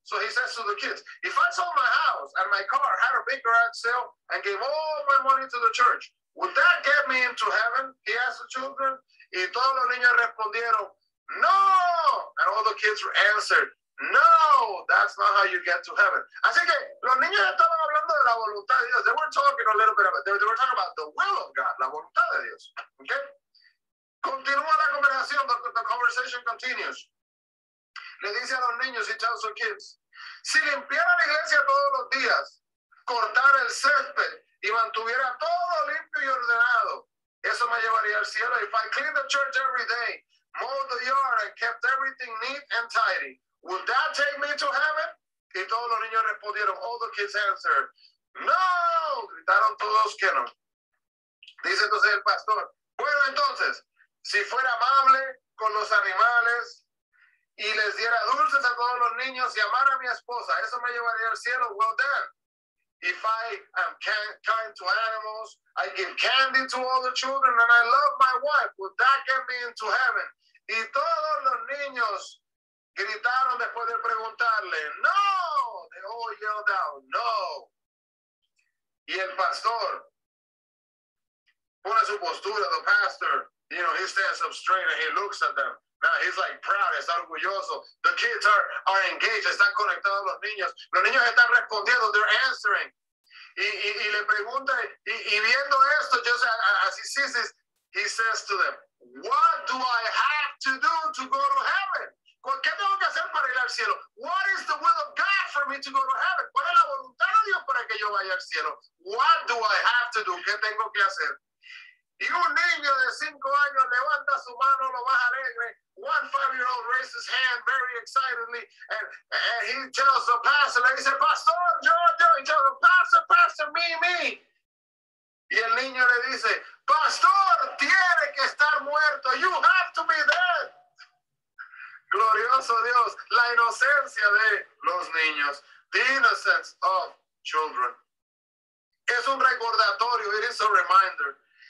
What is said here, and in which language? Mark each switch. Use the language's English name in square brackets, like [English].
[English] So he says to the kids, if I sold my house and my car, had a big garage sale, and gave all my money to the church, would that get me into heaven? He asked the children. [Spanish] Y todos los niños respondieron, no. [English] And all the kids answered, no, that's not how you get to heaven. [Spanish] Así que los niños estaban hablando de la voluntad de Dios. [English] They were talking a little bit about, they were talking about the will of God, [Spanish] la voluntad de Dios. [English] Okay? [Spanish] Continúa la conversación. [English] The conversation continues. [Spanish] Le dice a los niños, [English] he tells the kids, [Spanish] si limpiara la iglesia todos los días, cortara el césped y mantuviera todo limpio y ordenado, eso me llevaría al cielo. [English] If I cleaned the church every day, mowed the yard and kept everything neat and tidy, would that take me to heaven? [Spanish] Y todos los niños respondieron, [English] all the kids answered, [Spanish] no, gritaron todos que no. Dice entonces el pastor, bueno entonces, si fuera amable con los animales, y les diera dulces a todos los niños y amara a mi esposa, eso me llevaría al cielo. [English] Well then, if I am kind to animals, I give candy to all the children, and I love my wife, would that get me into heaven? [Spanish] Y todos los niños gritaron después de preguntarle, no, [English] they all yelled out, no. [Spanish] Y el pastor pone su postura, [English] the pastor, you know, he stands up straight and he looks at them. Now he's like proud, [Spanish] está orgulloso. [English] The kids are engaged, [Spanish] están conectados los niños. Los niños están respondiendo, [English] they're answering. [Spanish] Y le pregunta, y viendo esto, [English] just as he sees this, he says to them, what do I have to do to go to heaven? [Spanish] ¿Qué tengo que hacer para ir al cielo? [English] What is the will of God for me to go to heaven? [Spanish] ¿Cuál es la voluntad de Dios para que yo vaya al cielo? [English] What do I have to do? [Spanish] ¿Qué tengo que hacer? Y un niño de 5 años levanta su mano lo más alegre. [English] One five-year-old raises his hand very excitedly. And he tells the pastor, he says, Pastor, yo, he tells the pastor, me. [Spanish] Y el niño le dice, Pastor, tiene que estar muerto. [English] You have to be dead. [Spanish] Glorioso Dios, la inocencia de los niños. [English] The innocence of children. [Spanish] Es un recordatorio, [English] it is a reminder.